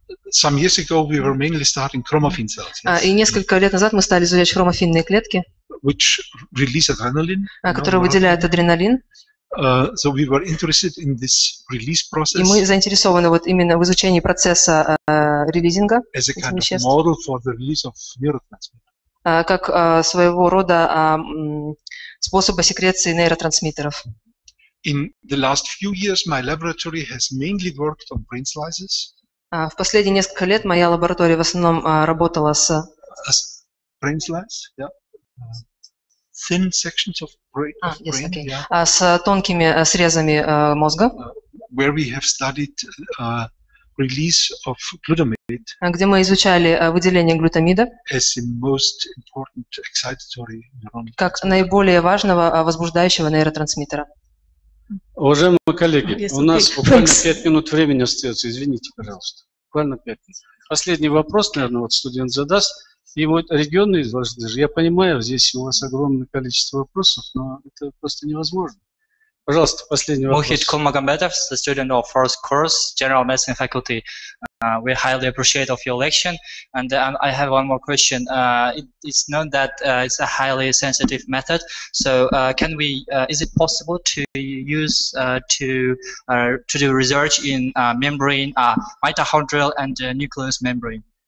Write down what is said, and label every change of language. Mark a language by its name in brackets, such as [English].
[English] some years ago we were mainly studying chromaffin cells. Yes. [Russian] И несколько лет назад мы стали изучать хромофинные клетки, [English] which release adrenaline, [Russian] которые выделяют адреналин. [English] So we were interested in this release process. [Russian] И мы заинтересованы вот именно в изучении процесса релизинга. [English] As a kind of model for the release of neurotransmitters. [Russian] Как своего рода способа секреции нейротрансмиттеров. [English] In the last few years, my laboratory has mainly worked on brain slices. [Russian] В последние несколько лет моя лаборатория в основном работала с [English] brain slices, yeah, thin sections of brain, [Russian] с тонкими срезами мозга, [English] where we have studied release of glutamate, [Russian] где мы изучали выделение глутамида, [English] as the most important excitatory neuron, [Russian] как наиболее важного возбуждающего нейротрансмиттера. Уважаемые коллеги, у нас буквально 5 минут времени остается, извините, пожалуйста. Буквально 5 минут. Последний вопрос, наверное, вот студент задаст. И вот регионы изложат даже. Я понимаю, здесь у вас огромное количество вопросов, но это просто невозможно. Пожалуйста, последний вопрос. [English] Мухит Кулмагомбетов, студент of first course, General Medicine Faculty. We highly appreciate of your lecture. And I have one more question. It's known that it's a highly sensitive method. So can we, is it possible to use to do research in membrane, mitochondrial and nucleus membrane?